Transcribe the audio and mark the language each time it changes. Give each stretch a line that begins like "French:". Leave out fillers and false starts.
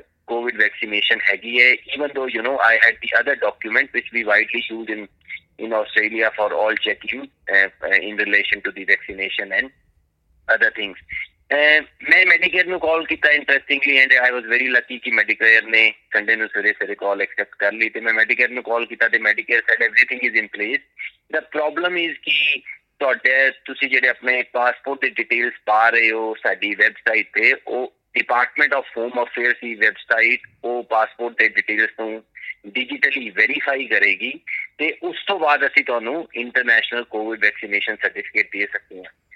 English: COVID vaccination
Punjabi: hagi hai,
English: even though you know I had the other document which we widely used in Australia for all checking in relation to the vaccination and other things.
Punjabi: Main Medicare nu call kita
English: interestingly, and I was very lucky
Punjabi: ki Medicare ne Sunday nu sare sare call accept kar li,
English: the
Punjabi: main Medicare nu call kita,
English: the Medicare said everything is in place. The problem is
Punjabi: ki tode tusi jehde apne passport de details pa rahe ho sadi website te, oh Department of Home Affairs ਦੀ website ਉਹ passport ਦੇ details ਨੂੰ digitally verify ਕਰੇਗੀ, ਤੇ ਉਸ ਤੋਂ ਬਾਅਦ ਅਸੀਂ ਤੁਹਾਨੂੰ ਇੰਟਰਨੈਸ਼ਨਲ ਕੋਵਿਡ ਵੈਕਸੀਨੇਸ਼ਨ ਸਰਟੀਫਿਕੇਟ ਦੇ ਸਕਦੇ ਹਾਂ।